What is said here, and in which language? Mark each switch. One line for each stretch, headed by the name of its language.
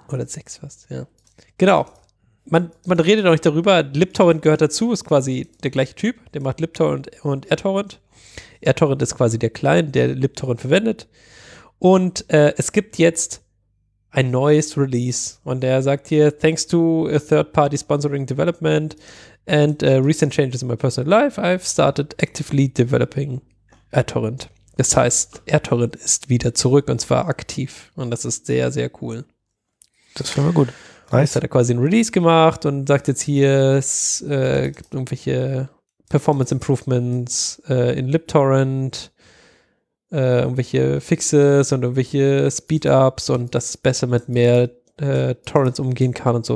German: Oder 6 fast, ja. Genau. Man redet auch nicht darüber. LibTorrent gehört dazu, ist quasi der gleiche Typ. Der macht LibTorrent und R-Torrent. R-Torrent ist quasi der Client, der LibTorrent verwendet. Und es gibt jetzt ein neues Release.
English: Und er sagt hier, thanks to a third-party sponsoring development and recent changes in my personal life, I've started actively developing R-Torrent.
German: Das heißt, R-Torrent ist wieder zurück und zwar aktiv. Und das ist sehr, sehr cool. Das finden wir gut.
English: Nice.
German: Jetzt hat er quasi ein Release gemacht und sagt jetzt hier, es gibt irgendwelche Performance Improvements in LibTorrent, irgendwelche Fixes und irgendwelche Speedups und dass es besser mit mehr Torrents umgehen kann und so.